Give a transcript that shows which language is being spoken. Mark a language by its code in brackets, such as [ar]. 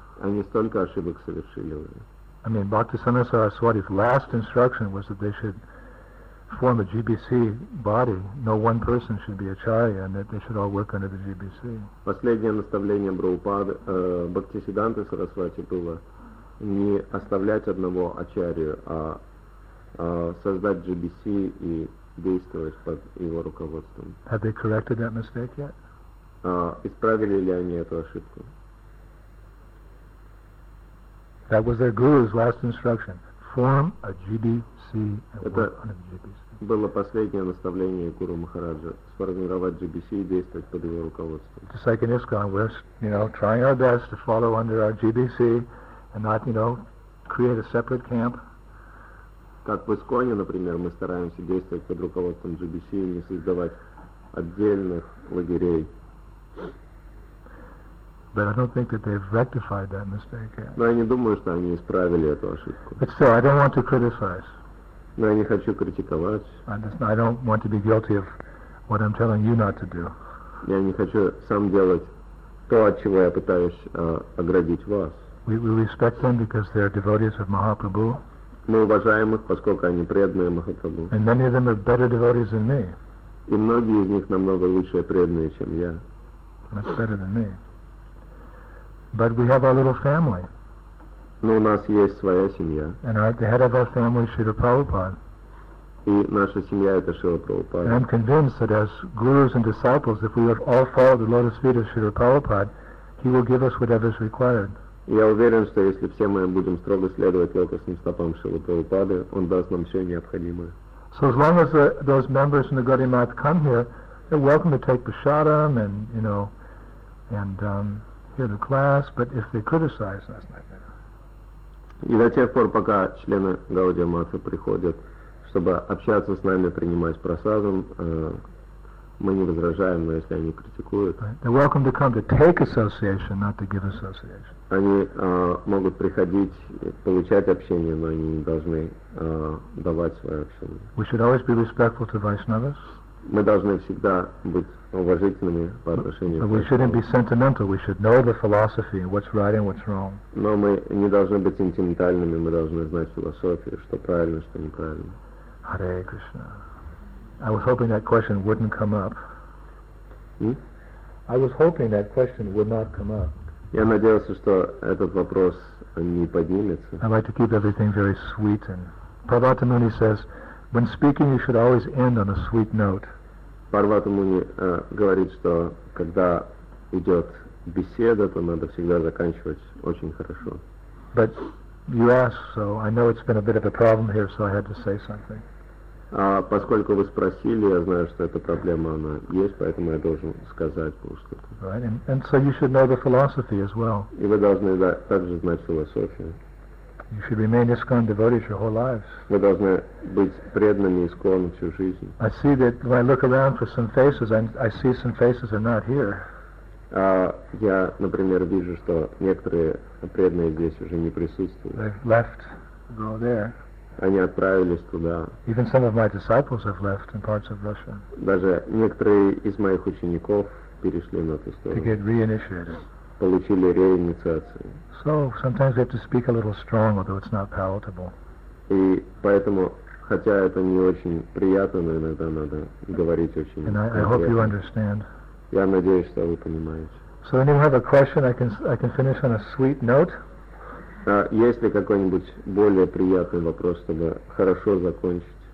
[ru] Они столько ошибок совершили уже. [en] I mean, Bhaktisana Saraswati's last instruction was that they should form a GBC body. No one person should be acharya, and that they should all work under the GBC. [ru] Последнее наставление Бхактисиданты Сарасвати было не оставлять одного ачарью, а создать GBC и действовать под его руководством. [en] Have they corrected that mistake yet? [ru] Исправили ли они эту ошибку? [en] That was their guru's last instruction. Form a GBC and work on a GBC. [ru] Было последнее наставление Гуру Махараджа. Сформировать GBC и действовать под его руководством. [en] Just like in ISKCON, we're, you know, trying our best to follow under our GBC and not, you know, create a separate camp. [ru] Как в ИСККОНе, например, мы стараемся действовать под руководством GBC и не создавать отдельных лагерей. [en] But I don't think that they've rectified that mistake yet. [ru] Но я не думаю, что они исправили эту ошибку. [en] But still, I don't want to criticize. [ru] Но я не хочу критиковать. [en] I don't want to be guilty of what I'm telling you not to do. [ru] Я не хочу сам делать то, от чего я пытаюсь оградить вас. [en] We respect them because they're devotees of Mahaprabhu. [ru] Мы уважаем их, поскольку они преданные Махапрабху. [en] And many of them are better devotees than me. [ru] И многие из них намного лучше преданные, чем я. [en] Much better than me. But we have our little family. [ru] Но у нас есть своя семья. [en] And at the head of our family is Srila Prabhupada. [ru] И наша семья это Шрила Прабхупада. [en] And I'm convinced that as gurus and disciples, if we have all followed the lotus feet of Srila Prabhupada, he will give us whatever is required. [ru] Я уверен, что если все мы будем строго следовать лотосным стопам Шрилы Прабхупады, он даст нам все необходимое. [en] So as long as those members from the Gaudiya Math come here, they're welcome to take prasadam and, you know, and hear the class, but if they criticize, that's not better. [ru] И до тех пор, пока члены Гаудия Матха приходят, чтобы общаться с нами, принимать прасадам, мы не возражаем, но если они критикуют. [en] Right. They're welcome to come to take association, not to give association. [ru] Они могут приходить, получать общение, но они не должны давать свое общение. [en] We should always be respectful to Vaishnavas. [ru] Мы должны всегда быть уважительными по отношению к Вайшнавам. [en] We shouldn't be sentimental. We should know the philosophy, what's right and what's wrong. [ru] Но мы не должны быть сентиментальными. Мы должны знать философию, что правильно, что неправильно. [en] Hare Krishna. I was hoping that question wouldn't come up. I was hoping that question would not come up. [ru] Я надеялся, что этот вопрос не поднимется. [en] I like to keep everything very sweet. And Parvata Muni says, when speaking, you should always end on a sweet note. [ru] Парвата Муни говорит, что когда идет беседа, то надо всегда заканчивать очень хорошо. [en] But you asked, so I know it's been a bit of a problem here, so I had to say something. [ru] Поскольку вы спросили, я знаю, что эта проблема, она есть, поэтому я должен сказать вам что-то. [en] Right, and so you should know the philosophy as well. [ru] И вы должны также знать философию. [en] You should remain ISKCON devotees your whole lives. [ru] Мы должны быть преданными ИСККОНу всю жизнь. [en] I see that when I look around for some faces, I see some faces are not here. [ru] Я, например, вижу, что некоторые преданные здесь уже не присутствуют. [en] They've left to go there. [ru] Они отправились туда. [en] Even some of my disciples have left in parts of Russia. [ru] Даже некоторые из моих учеников перешли на ту сторону. [en] To get reinitiated. [ru] Получили реинициацию. [en] So sometimes we have to speak a little strong, although it's not palatable. [ru] И поэтому, хотя это не очень приятно, но иногда надо говорить очень. [en] And I hope you understand. [ru] Я надеюсь, что вы понимаете. [en] So anyone have a question? I can finish on a sweet note. [ru] Есть ли какой-нибудь более приятный вопрос, чтобы хорошо закончить?